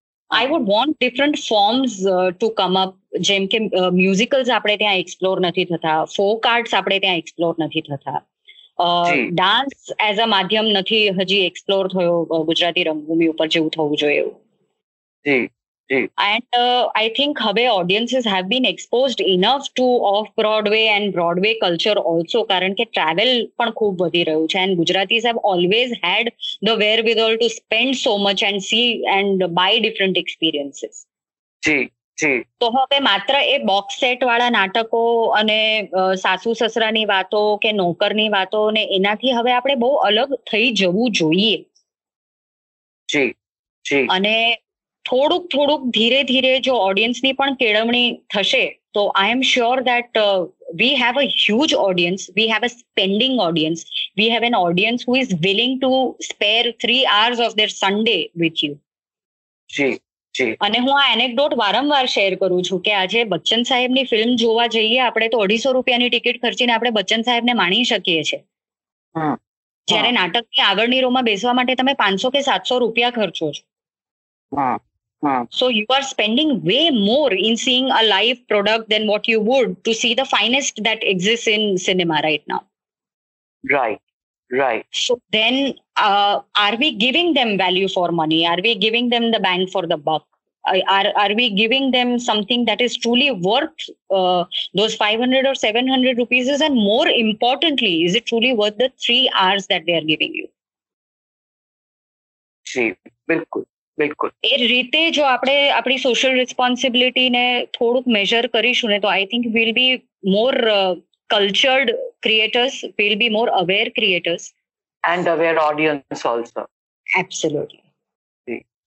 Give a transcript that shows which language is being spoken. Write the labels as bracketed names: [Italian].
[English] I would want different forms to come up, [Gujarati] જેમ કે મ્યુઝિકલ્સ આપણે ત્યાં એક્સપ્લોર નથી થતા, ફોક આર્ટ્સ આપણે ત્યાં એક્સપ્લોર નથી થતા, ડાન્સ એઝ અ માધ્યમ નથી હજી એક્સપ્લોર થયો ગુજરાતી રંગભૂમિ ઉપર જેવું થવું જોઈએ. [English] And I think [Gujarati] હવે [English] audiences have been exposed enough to off-Broadway and Broadway culture also, [Gujarati] કારણ કે [English] travel [Gujarati] પણ ખૂબ વધી રહ્યું છે, [English] and Gujaratis have always had the wherewithal to spend so much and see and buy different experiences. [Gujarati] તો હવે માત્ર એ બોક્સ સેટ વાળા નાટકો અને સાસુ સસરાની વાતો કે નોકરની વાતો, અને એનાથી હવે આપણે બહુ અલગ થઈ જવું જોઈએ. અને થોડુંક થોડુંક ધીરે ધીરે જો ઓડિયન્સની પણ કેળવણી થશે તો [English] I am sure that we have a huge audience, we have a spending audience, we have an audience who is willing to spare 3 hours of their Sunday with you. [Gujarati] અને હું આ એનેકડોટ વારંવાર શેર કરું છું કે આજે બચ્ચન સાહેબની ફિલ્મ જોવા જઈએ આપણે તો 250 રૂપિયાની ટિકિટ ખર્ચીને આપણે બચ્ચન સાહેબને માણી શકીએ છીએ, જ્યારે નાટકની આગળની રોમાં બેસવા માટે તમે 500 કે 700 રૂપિયા ખર્ચો છો. [English] So you are spending way more in seeing a live product than what you would to see the finest that exists in cinema right now. Right. So then are we giving them value for money? Are we giving them the bang for the buck? Are we giving them something that is truly worth those 500 or 700 rupees? And more importantly, is it truly worth the 3 hours that they are giving you? See, bilkul. [Gujarati] એ રીતે જો આપણે આપણી social responsibility ને થોડુક measure કરીશું ને તો [English] I think we'll be more cultured creators, we'll be more aware creators and aware audience also. Absolutely.